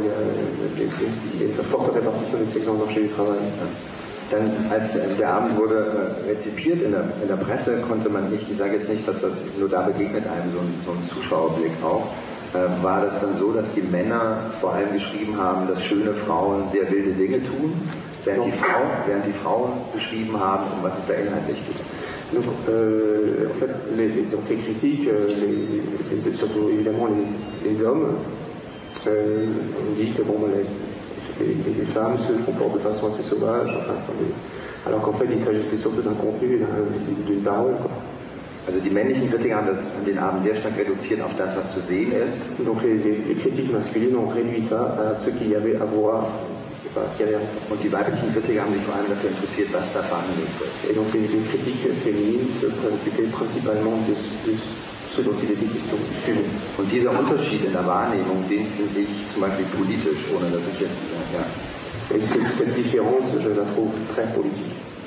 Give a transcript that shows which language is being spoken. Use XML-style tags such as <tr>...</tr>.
<fr>Il y a une forte répartition des sexes dans le marché du travail.</fr> <de>Denn als der Abend wurde rezipiert in der Presse, konnte man nicht, ich sage jetzt nicht, dass das nur da begegnet einem, so ein Zuschauerblick auch, war das dann so, dass die Männer vor allem geschrieben haben, dass schöne Frauen sehr wilde Dinge tun, während die Frauen geschrieben haben, um was es da inhaltlich geht.</de> <fr>Donc, en fait, les critiques, surtout évidemment les hommes, ont dit que bon, les femmes se comportent de façon assez sauvage, alors qu'en fait il s'agissait surtout d'un contenu, d'une parole. Quoi.</fr> <de>Also die männlichen Kritiker haben den Abend sehr stark reduziert auf das, was zu sehen ist.</de> <fr>Donc les critiques masculines ont réduit ça à ce qu'il y avait à voir.</fr> <de>Und die weiblichen Kritiker haben sich vor allem dafür interessiert, was da verhandelt wird.</de> <fr>Et donc les critiques féminines se préoccupaient principalement de ce dont il était question.</fr> <de>Und dieser Unterschied in der Wahrnehmung, den finde ich zum Beispiel politisch, ohne dass ich jetzt. Ja.</de> <fr>Et cette différence, je la trouve très politique.</fr>